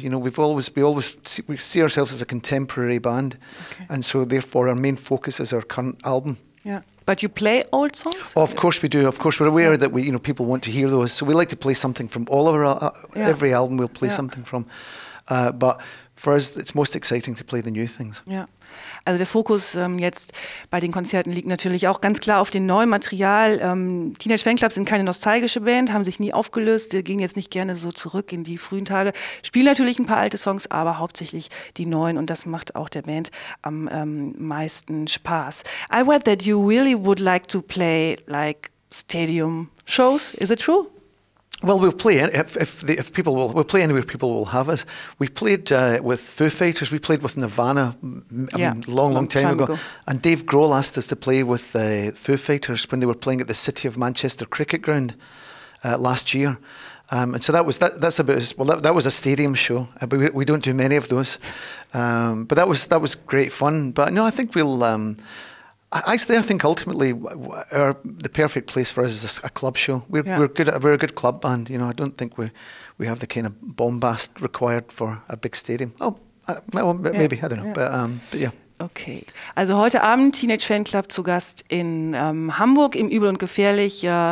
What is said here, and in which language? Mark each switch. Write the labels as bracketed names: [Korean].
[English] You know, we see ourselves as a contemporary band, and so therefore our main focus is our current album. Yeah. But you play old songs? Of course we do. Of course we're aware that people want to hear those. So we like to play something from all of our every album. We'll play something from. But for us, it's most exciting to play the new things. Yeah. [German] Also der Fokus jetzt bei den Konzerten liegt natürlich auch ganz klar auf dem neuen Material. Teenage Fanclub sind keine nostalgische Band, haben sich nie aufgelöst, gehen jetzt nicht gerne so zurück in die frühen Tage. Spielen natürlich ein paar alte Songs, aber hauptsächlich die neuen, und das macht auch der Band am meisten Spaß. [English] I read that you really would like to play like stadium shows. Is it true? Well, we'll play we'll play anywhere people will have us. We played with Foo Fighters. We played with Nirvana a long time ago. And Dave Grohl asked us to play with Foo Fighters when they were playing at the City of Manchester Cricket Ground last year. And so that was a stadium show. But we don't do many of those. But that was great fun. But no, I think we'll. Actually, I think ultimately the perfect place for us is a club show. We're a good club band. You know, I don't think we have the kind of bombast required for a big stadium. Maybe, I don't know. But. Okay. [German] Also heute Abend Teenage Fanclub zu Gast in Hamburg im Übel und Gefährlich.